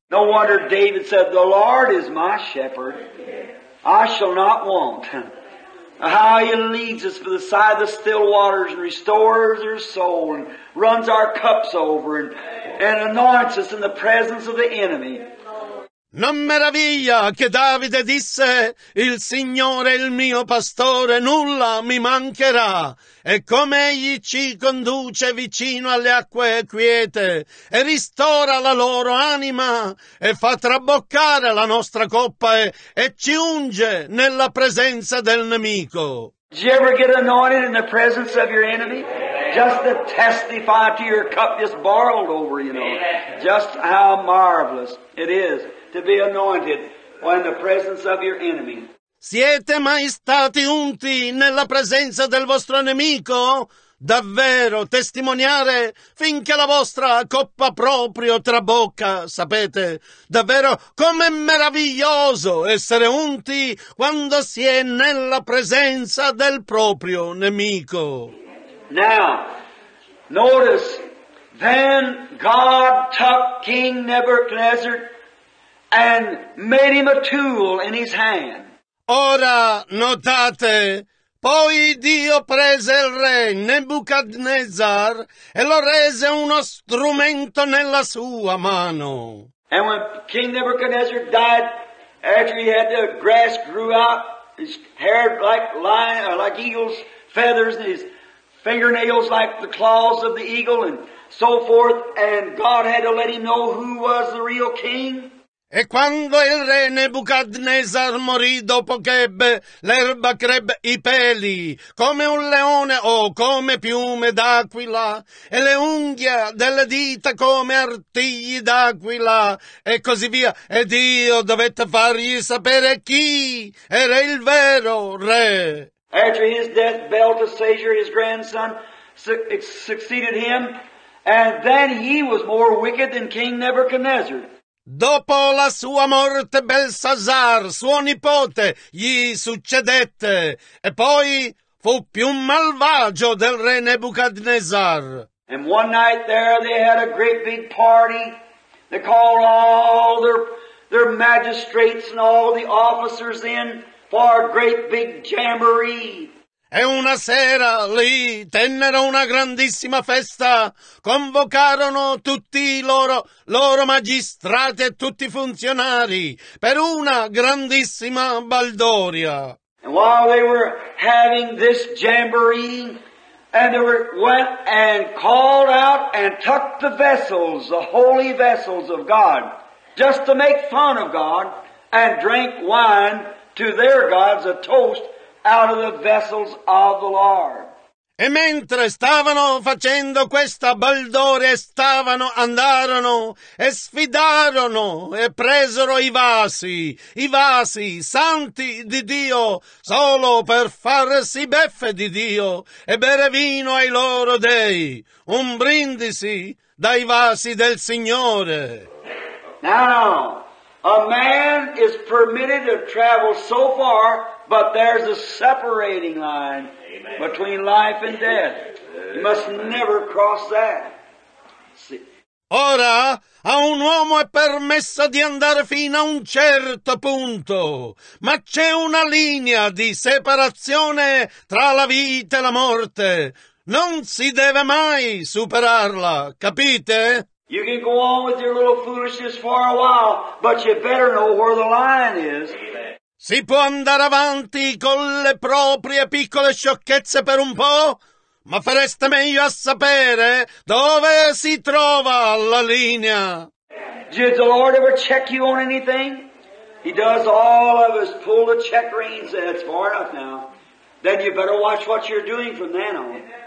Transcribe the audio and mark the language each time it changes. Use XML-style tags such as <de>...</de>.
<en>No wonder David said, the Lord is my shepherd. I shall not want. How he leads us for the side of the still waters and restores our soul and runs our cups over and anoints us in the presence of the enemy.</en> <it>Non meraviglia che Davide disse, il Signore è il mio pastore, nulla mi mancherà. E come egli ci conduce vicino alle acque quiete e ristora la loro anima e fa traboccare la nostra coppa e ci unge nella presenza del nemico.</it> <en>Did you ever get anointed in the presence of your enemy? Just to testify to your cup just borrowed over, you know. Just how marvelous it is. To be anointed in the presence of your enemy.</en> <it>Siete mai stati unti nella presenza del vostro nemico? Davvero testimoniare finché la vostra coppa proprio trabocca, sapete? Davvero com'è meraviglioso essere unti quando si è nella presenza del proprio nemico.</it> <en>Now, notice, then God took King Nebuchadnezzar and made him a tool in his hand.</en> <it>Ora notate, poi Dio prese il re Nebuchadnezzar e lo rese uno strumento nella sua mano.</it> <en>And when King Nebuchadnezzar died, after he had the grass grew out, his hair like lion, like eagle's feathers, and his fingernails like the claws of the eagle, and so forth, and God had to let him know who was the real king.</en> <it>E quando il re Nebuchadnezzar morì dopo che ebbe l'erba crebbe i peli come un leone o come piume d'aquila e le unghie delle dita come artigli d'aquila e così via. E Dio dovette fargli sapere chi era il vero re.</it> <en>After his death, Belteshazzar, his grandson, succeeded him, and then he was more wicked than King Nebuchadnezzar.</en> <it>Dopo la sua morte, Belsasar, suo nipote, gli succedette e poi fu più malvagio del re Nebuchadnezzar.</it> <en>And one night there they had a great big party. They called all their magistrates and all the officers in for a great big jamboree.</en> <it>E una sera lì tennero una grandissima festa, convocarono tutti i loro magistrati e tutti i funzionari per una grandissima baldoria.</it> <en>And while they were having this jamboree, and they went and called out and took the vessels, the holy vessels of God, just to make fun of God, and drank wine to their gods, a toast, out of the vessels of the Lord.</en> <it>E mentre stavano facendo questa baldoria, andarono e sfidarono e presero i vasi santi di Dio, solo per farsi beffe di Dio e bere vino ai loro dei, un brindisi dai vasi del Signore.</it> <en>Now, a man is permitted to travel so far, but there's a separating line between life and death. You must never cross that. See.</en> <it>Ora, a un uomo è permesso di andare fino a un certo punto, ma c'è una linea di separazione tra la vita e la morte. Non si deve mai superarla, capite?</it> <en>You can go on with your little foolishness for a while, but you better know where the line is.</en> <it>Si può andare avanti con le proprie piccole sciocchezze per un po', ma fareste meglio a sapere dove si trova la linea.</it> <en>Did the Lord ever check you on anything? He does all of us pull the check reins, and it's far enough now. Then you better watch what you're doing from then on.</en>